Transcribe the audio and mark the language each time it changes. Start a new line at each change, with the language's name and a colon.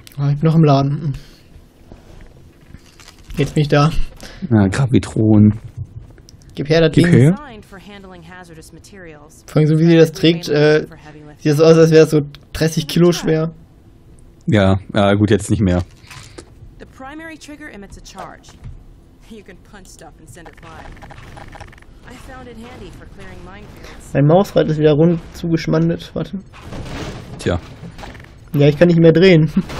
German: Ich bin noch im Laden. Jetzt bin ich da. Na, Gravitron. Gib her, das Ding. Vor allem so, wie sie das trägt, sieht das aus, als wäre es so 30 Kilo schwer. Ja, gut, jetzt nicht mehr.
English: The primary trigger emits a charge. You can punch stuff and send it flying. I found it handy for clearing minefields.
German: Mein Mausrad ist wieder rund zugeschmandet. Warte. Tja. Ja, ich kann nicht mehr drehen.